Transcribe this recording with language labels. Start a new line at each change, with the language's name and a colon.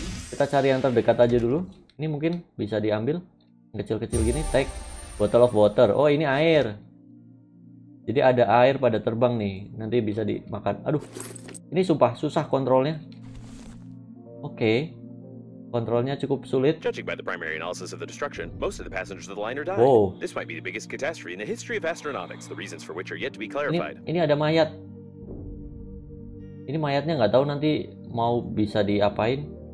Indonesian: Kita cari yang terdekat aja dulu. Ini mungkin bisa diambil. Kecil-kecil gini,
English: take. Bottle of water.
Indonesian: Oh, ini air. Jadi ada air pada terbang nih. Nanti bisa dimakan. Aduh. Ini sumpah susah kontrolnya. Oke. Okay. Kontrolnya cukup sulit.
English: Judging by the primary analysis of the destruction, most of the passengers of the liner died. Wow. This might be the biggest catastrophe in the history of astronautics. The reasons for which are yet to be clarified.
Indonesian: Ini ada mayat. Ini mayatnya nggak tahu nanti mau bisa diapain.